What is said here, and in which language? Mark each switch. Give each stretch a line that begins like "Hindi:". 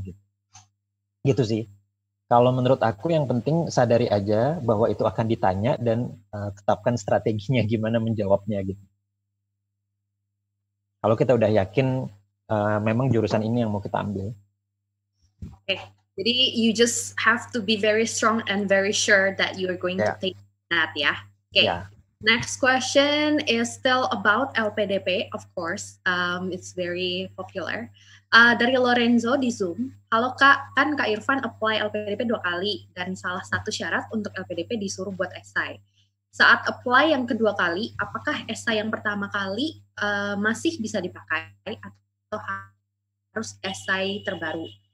Indonesian: Gitu sih. Kalau menurut aku yang penting sadari aja bahwa itu akan ditanya dan tetapkan strateginya gimana menjawabnya. Gitu. Kalau kita udah yakin memang jurusan ini yang mau kita ambil. Oke. Okay. Jadi
English: you just have to be very strong and very sure that you are going to take that, yeah. Okay. Yeah. Next question is still about LPDP, of course. It's very popular.
Indonesian: Dari Lorenzo di Zoom. Halo Kak, kan Kak Irfan apply LPDP 2 kali dan salah satu syarat untuk LPDP disuruh buat esai. Saat apply yang kedua kali, apakah esai yang pertama kali masih bisa dipakai atau harus esai terbaru?